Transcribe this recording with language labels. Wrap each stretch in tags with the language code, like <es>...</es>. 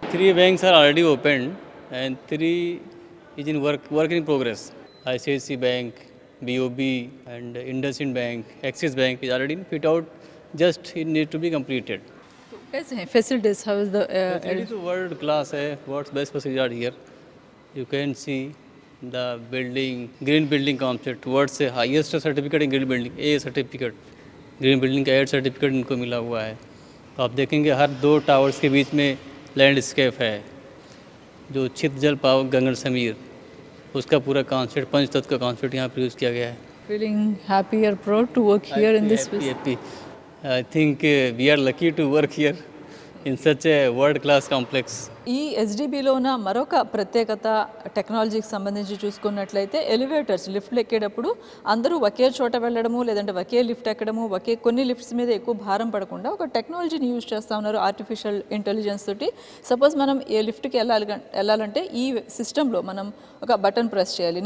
<en>3 banks are already opened and 3 is in working progress, ICICI bank, BOB and IndusInd bank, Axis bank is already in fit out, just it need to be completed. Guys facilities how is the? It is world class, what's best facility are here. You can see the building, green building concept, towards the highest certificate in green building, A certificate, green building air certificate</en> <hi>इनको मिला हुआ है। तो आप देखेंगे हर 2 towers के बीच में landscape है, जो छित जल पाव गंगर समीर, उसका पूरा कॉन्सेप्ट, पंच तत्व का कॉन्सेप्ट यहाँ पर यूज़ किया गया है।</hi> <en>Feeling happy or proud to work here in this place? Happy, happy. I think we are lucky to work here in such a world class complex.</en> <te>ఈ ఎస్డిబిలో ఉన్న మరొక ప్రత్యేకత టెక్నాలజీకి సంబంధించి చూసుకున్నట్లయితే ఎలివేటర్స్ లిఫ్ట్లు ఎక్కేటప్పుడు అందరూ ఒకే చోట వెళ్ళడము లేదంటే ఒకే లిఫ్ట్ ఎక్కడము ఒకే కొన్ని లిఫ్ట్స్ మీద ఎక్కువ భారం పడకుండా ఒక టెక్నాలజీని యూజ్ చేస్తూ ఉన్నారు ఆర్టిఫిషియల్ ఇంటెలిజెన్స్ తోటి. సపోజ్ మనం ఏ లిఫ్ట్కి వెళ్ళాలంటే ఈ సిస్టంలో మనం ఒక బటన్ ప్రెస్ చేయాలి.</te>